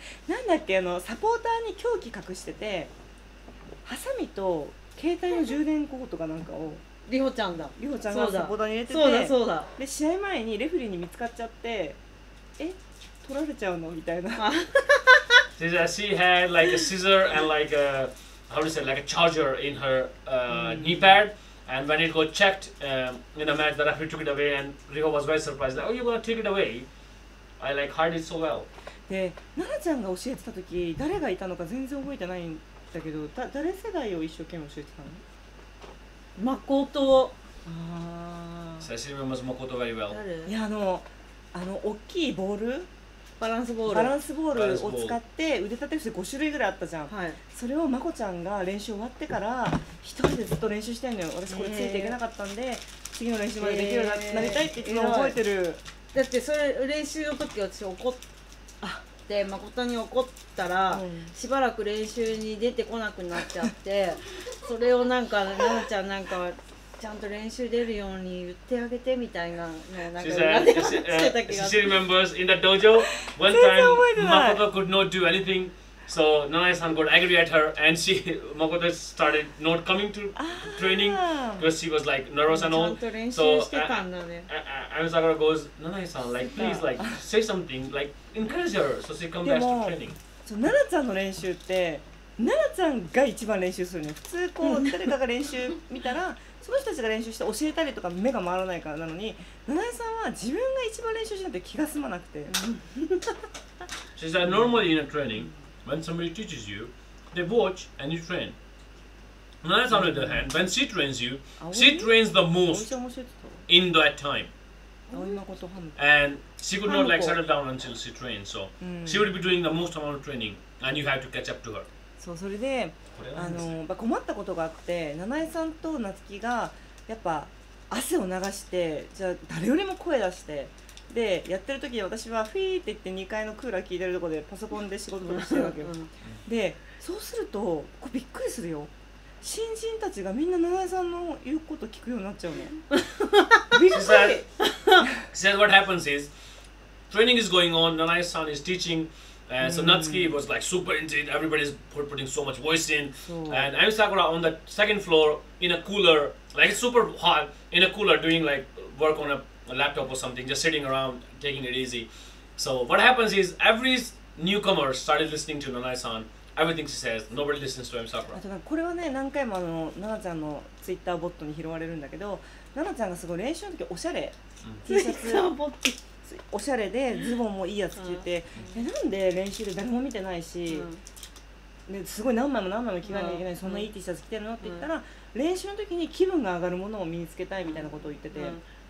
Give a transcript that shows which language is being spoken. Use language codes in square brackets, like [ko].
[ja] なんだっけあのサポーターに凶器隠しててハサミと携帯の充電コードかなんかをリホちゃんだ。リホちゃんがサポーターに入れててそうだそうだ。で試合前にレフリーに見つかっちゃってえ。取られちゃうのみたいな。 [en] She said she had like a scissor and like a how to say like a charger in her、knee pad and when it got checked、in a match the referee took it away and Riho was very surprised that oh you gonna take it away I like hide it so well [ja] で奈々ちゃんが教えてた時誰がいたのか全然覚えてないんだけど誰世代を一生懸命教えてたの誠あ [en] So she remembers Makoto very well [ja] いやあの大きいボールバランスボールバランスボールを使って腕立て伏せ5種類ぐらいあったじゃん、はい、それをまこちゃんが練習終わってから一人でずっと練習してんのよ私これついていけなかったんで、次の練習までできるようになりたいっていつも覚えてる、だってそれ練習の時私怒ってまことに怒ったら、うん、しばらく練習に出てこなくなっちゃってそれをなんかななちゃんなんかちゃんと練習出るように言ってあげてみたいな、ね、なんか [en] She remembers in the dojo one time Makoto could not do anything so Nanai-san got angry at her and she Makoto started not coming to training because she was like nervous and all so Amisakura goes Nanai-san like please like say something like encourage her so she comes back to training [ja] そう、Nanai-san の練習って Nanai-san が一番練習するね普通こう誰かが練習見たらその人たちが練習して教えたりとか目が回らないからなのに、七重さんは自分が一番練習しないと気が済まなくて。 [en] She said normally in a training, when somebody teaches you, they watch and you train. 七重さん on the other hand, when she trains you, she trains the most in that time. And she could not like settle down until she trains, so she would be doing the most amount of training, and you have to catch up to her. [ja] そう、それで、あの、まあ、困ったことがあって、七重さんと夏希がやっぱ汗を流して、じゃあ誰よりも声出して、で、やってる時に私はフィーって言って2階のクーラー聞いてるとこでパソコンで仕事をしてるわけよ。うん、で、そうすると、こうびっくりするよ。新人たちがみんな七重さんの言うこと聞くようになっちゃうの。びっくり。 [en] She said what happens is, training is going on, Nanai-san is teaching,And so Natsuki was like super into it, everybody's putting so much voice in. And I'm Sakura on the second floor in a cooler, like it's super hot, in a cooler doing like work on a laptop or something, just sitting around taking it easy. So what happens is every newcomer started listening to Nanai-san, everything she says, nobody listens to him, Sakura. [ja] あとなんかこれはね、何回もあの、ななちゃんのツイッターボットに拾われるんだけど、ななちゃんがすごい練習の時おしゃれ、ツイッターボット。おしゃれでズボンもいいやつ着て、うん、なんで練習で誰も見てないし、うん、ですごい何枚も何枚も着替えなきゃいけない、うん、そんないい T シャツ着てるのって言ったら、うん、練習の時に気分が上がるものを身につけたいみたいなことを言ってて、うん、